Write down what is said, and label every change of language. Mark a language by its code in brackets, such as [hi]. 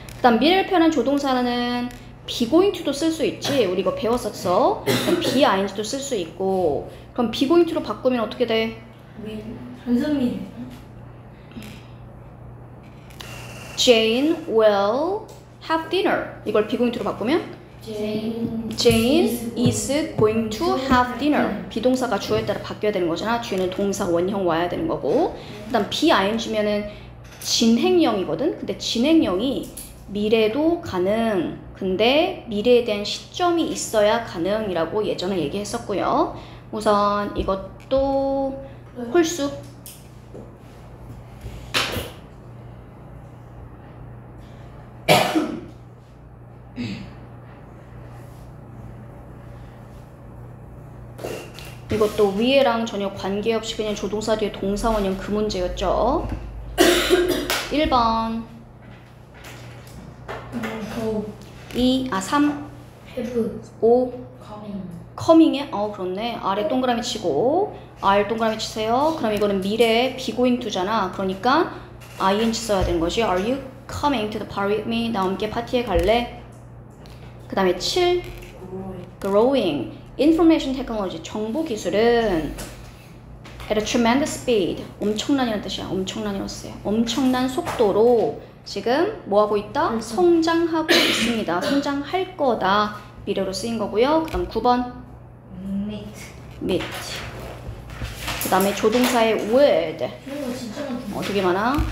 [ko] 그다음 미래를 표현한 조동사는 be going to도 쓸 수 있지. 우리 이거 배웠었어. be ing도 쓸 수 있고. 그럼 be going to로 바꾸면 어떻게 돼? 전선민. [en] Jane will have dinner. [ko] 이걸 be going to로 바꾸면 [en] Jane is going to have dinner. [ko] 비동사가 주어에 따라 바뀌어야 되는 거잖아. 뒤에는 동사 원형 와야 되는 거고. 그다음 be ing면은 진행형이거든. 근데 진행형이 미래도 가능. 근데 미래에 대한 시점이 있어야 가능이라고 예전에 얘기했었고요. 우선 이것도 홀수. 이것도 위에랑 전혀 관계없이 그냥 조동사 뒤에 동사 원형 그 문제였죠. 1번 2, 아 3 [en] have 5 coming. [ko] coming에? 어 그렇네. 아래 동그라미 치고 R 동그라미 치세요. 그럼 이거는 미래에 be going to잖아. 그러니까 ing 써야 되는 거지. [en] Are you coming to the party with me? [ko] 나 함께 파티에 갈래? 그 다음에 7 [en] growing. Information technology, [ko] 정보 기술은 [en] at a tremendous speed, [ko] 엄청난이라는 뜻이야. 엄청난이었어요. 엄청난 속도로 지금 뭐하고 있다? 성장하고 있습니다. 성장할 거다. 미래로 쓰인 거고요. 그 다음 9번 [en] meet. [ko] 그 다음에 조동사의 would. 어, 되게 많아.